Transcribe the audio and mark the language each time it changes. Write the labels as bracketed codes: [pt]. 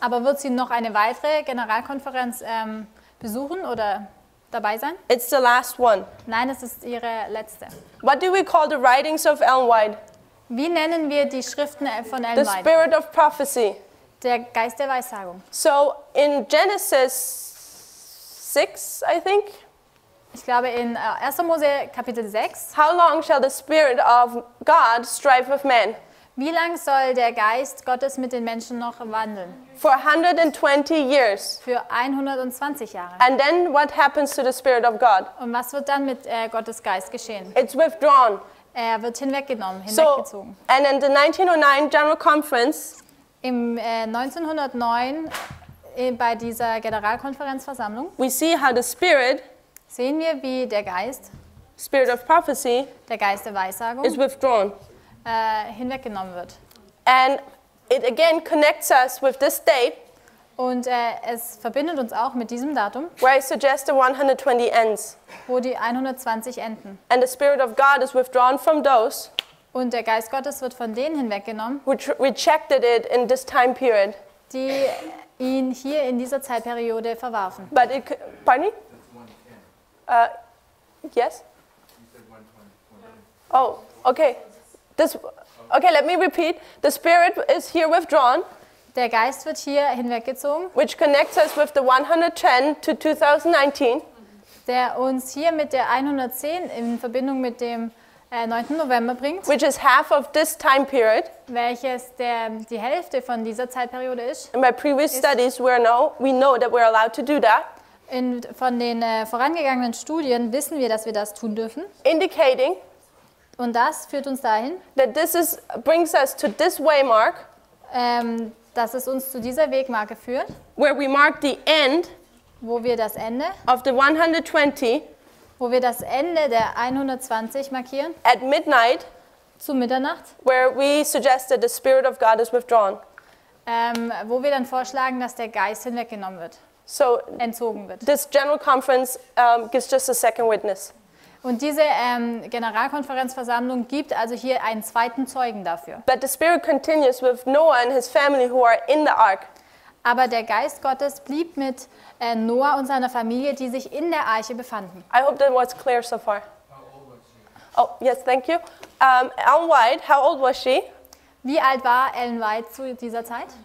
[de] Aber wird sie noch eine weitere Generalkonferenz besuchen oder dabei sein? [en] It's the last one. [de] Nein, es ist ihre letzte. [en] What do we call the writings of Ellen White? [de] Wie nennen wir die Schriften von Ellen [en] The [de] White? [en] Spirit of Prophecy. [de] Der Geist der Weissagung. [en] So in Genesis 6, I think. [de] Ich glaube in 1. Mose Kapitel 6. [en] How long shall the spirit of God strive with man? [de] Wie lang soll der Geist Gottes mit den Menschen noch wandeln? [en] For 120 years. [de] Für 120 Jahre. [en] And then what happens to the spirit of God? [de] Und was wird dann mit Gottes Geist geschehen? [en] It's withdrawn. [de] Er wird hinweggenommen, hinweggezogen. [en] So, and in the 1909 General Conference. [de] Im 1909 bei dieser Generalkonferenzversammlung. [en] We see how the spirit. [de] Sehen wir, wie der Geist. [en] Spirit of prophecy. [de] Der Geist der Weissagung. [en] Is withdrawn. [de] Hinweggenommen wird. [en] And it again connects us with this date. [de] Und es verbindet uns auch mit diesem Datum, [en] where I suggest the 120 ends. [de] Wo die 120 enden. [en] And the Spirit of God is withdrawn from those, [de] und der Geist Gottes wird von denen hinweggenommen, [en] which rejected it in this time period. [de] Die ihn hier in dieser Zeitperiode verwarfen. [en] But it could, pardon me? It's 110. Yes? You said 120. Oh, okay. Okay, let me repeat. The Spirit is here withdrawn. [de] Der Geist wird hier hinweggezogen, [en] which connects us with the 110 to 2019, [de] der uns hier mit der 110 in Verbindung mit dem 9. November bringt, [en] which is half of this time period, [de] welches die Hälfte von dieser Zeitperiode ist. [en] In my previous studies, we know that we're allowed to do that. [de] Von den vorangegangenen Studien wissen wir, dass wir das tun dürfen. [en] Indicating, [de] und das führt uns dahin, [en] that this is brings us to this waymark. [de] Dass es uns zu dieser Wegmarke führt, [en] where we mark the end, [de] wo wir das Ende [en] of the 120, [de] wo wir das Ende der 120 markieren, [en] at midnight, [de] zu Mitternacht, [en] where we suggest that the Spirit of God is withdrawn, [de] wo wir dann vorschlagen, dass der Geist hinweggenommen wird, [en] so [de] entzogen wird. [en] This general conference gives just a second witness. [de] Und diese Generalkonferenzversammlung gibt also hier einen zweiten Zeugen dafür. [en] But the spirit continues with Noah and his family who are in the ark. [de] Aber der Geist Gottes blieb mit Noah und seiner Familie, die sich in der Arche befanden. [en] I hope that was clear so far. How old was she? Oh, yes, thank you. Ellen White, how old was she? [de] Wie alt war Ellen White zu dieser Zeit?